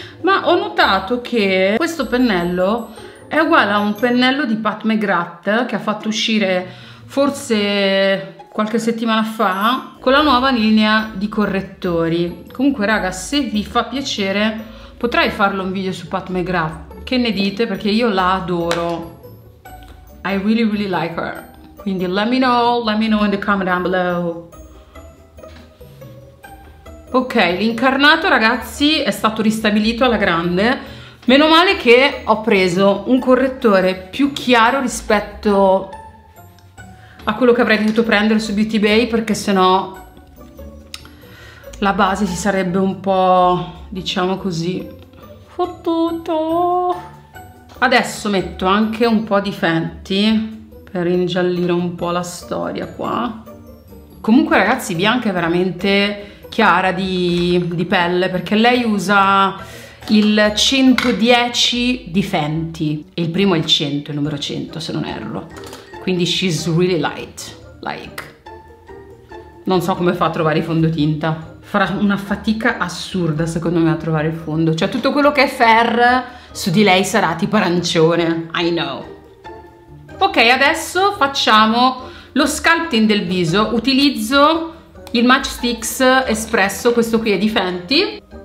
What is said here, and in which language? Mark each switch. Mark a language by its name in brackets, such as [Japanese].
[Italian] Ma ho notato che questo pennello è uguale a un pennello di Pat McGrath che ha fatto uscire forse qualche settimana fa con la nuova linea di correttori. Comunque, raga, se vi fa piacere potrei farlo un video su Pat McGrath. Che ne dite? Perché io la adoro. [English] I really really like her. Quindi let me know in the comment down below. [Italian] Ok, l'incarnato, ragazzi, è stato ristabilito alla grande. Meno male che ho preso un correttore più chiaro rispetto a quello che avrei dovuto prendere su Beauty Bay, perché sennò la base si sarebbe un po', diciamo così, fottuto. Adesso metto anche un po' di Fenty per ingiallire un po' la storia qua. Comunque, ragazzi, Bianca è veramente chiara di pelle, perché lei usa il 110 di Fenty. E il primo è il 100, il numero 100, se non erro. [English] Quindi she's really light, like. [Italian] Non so come fa a trovare i fondotinta. Farà una fatica assurda, secondo me, a trovare il fondo. Cioè, tutto quello che è fair su di lei sarà tipo arancione. [English] I know. [Italian] Ok, adesso facciamo lo sculpting del viso. Utilizzo il Matchstix Espresso, questo qui è di Fenty.